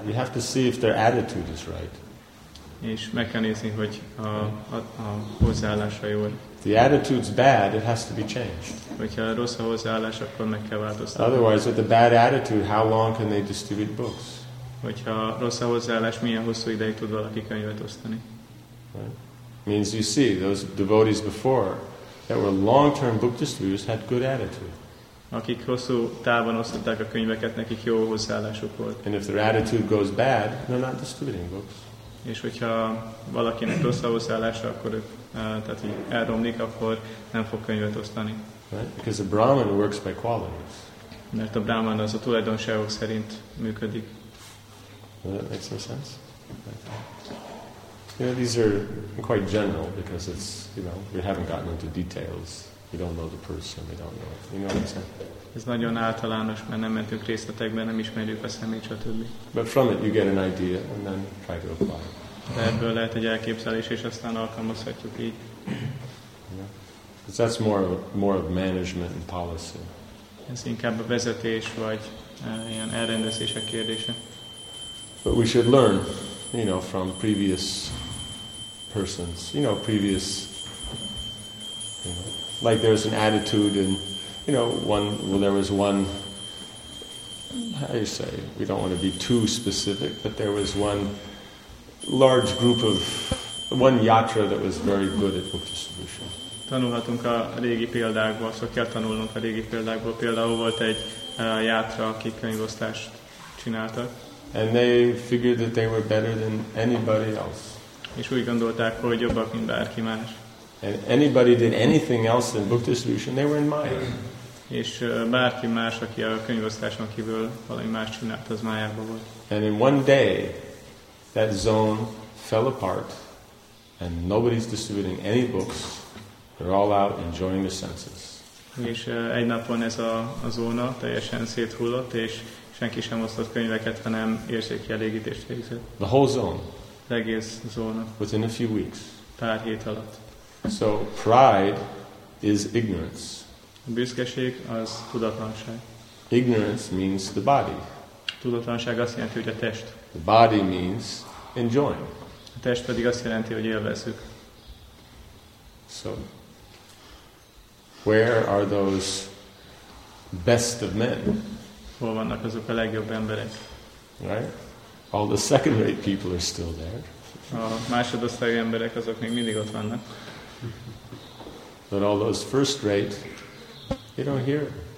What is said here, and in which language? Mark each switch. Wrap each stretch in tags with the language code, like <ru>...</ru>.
<en>You have to see if their attitude is right.</en> <hu>És meg kell nézni, hogy a hozzáállása jó.</hu> <en>The attitude's bad, it has to be changed.</en> <hu>Hogyha rossz a hozzáállás, akkor meg kell változtatni.</hu> <en>Otherwise, with a bad attitude, how long can they distribute books?</en> <hu>Hogyha rossz a hozzáállás, milyen hosszú ideig tud valaki könyvet osztani?</hu> <en>Means you see, those devotees before that were long-term book distributors had good attitude.</en> <hu>Akik hosszú távon osztották a könyveket, nekik jó hozzáállásuk volt.</hu> <en>And if their attitude goes bad, they're not distributing books.</en> <hu>És hogyha valakinek rossz a hozzáállása, akkor ők, tehát így elromlik, akkor nem fog könyvet osztani.</hu> <en>Right? Because a brahman works by qualities.</en> <hu>Mert a brahman az a tulajdonságok szerint működik.</hu> <en>Does that make some sense? Okay. You know, these are quite general because it's, you know, we haven't gotten into details. We don't know the person, we don't know it. You know what I'm saying?</en> <hu>Ez nagyon általános, mert nem mentünk részletekben, nem ismerjük a személyt, stb.</hu> <en>But from it you get an idea and then try to apply.</en> <hu>De ebből lehet egy elképzelés, és aztán alkalmazhatjuk így.</hu> <en>Yeah. That's more of management and policy.</en> <hu>Ez inkább a vezetés vagy ilyen elrendezések kérdése.</hu> <en>But we should learn, you know, from previous persons, you know, previous, you know, like there's an attitude in, you know, one, well, there was one, how do you say, we don't want to be too specific, but there was one large group of, one yatra that was very good at book distribution.</en> <hu>Tanulhatunk a régi példákból, szóval kell tanulnunk a régi példákból. Például volt egy yatra, akik könyvosztást csináltak.</hu> <en>And they figured that they were better than anybody else.</en> <hu>És úgy gondolták, hogy jobbak, mint bárki más.</hu> <en>And anybody did anything else than book distribution, they were in Maya.</en> <hu>És bárki más, aki a könyvosztáson kívül valami más csinált, az Mayában volt.</hu> <en>And in one day, that zone fell apart, and nobody's distributing any books. They're all out enjoying the senses.</en> <hu>És egy napon ez a zóna teljesen széthullott, és senki sem osztott könyveket, hanem érzékielégítést végzett.</hu> <en>The whole zone.</en> <hu>Az egész zóna.</hu> <en>Within a few weeks.</en> <hu>Pár hét alatt.</hu> <en>So pride is ignorance.</en> <hu>A büszkeség az tudatlanság.</hu> <en>Ignorance means the body.</en> <hu>Tudatlanság azt jelenti, hogy a test.</hu> <en>The body means enjoying.</en> <hu>A test pedig azt jelenti, hogy élvezzük.</hu> <en>So, where are those best of men?</en> <hu>Hol vannak azok a legjobb emberek?</hu> <en>Right? All the second-rate people are still there.</en> <hu>A másodosztályú emberek azok még mindig ott vannak.</hu> <en>But all those first-rate, you don't hear.</en>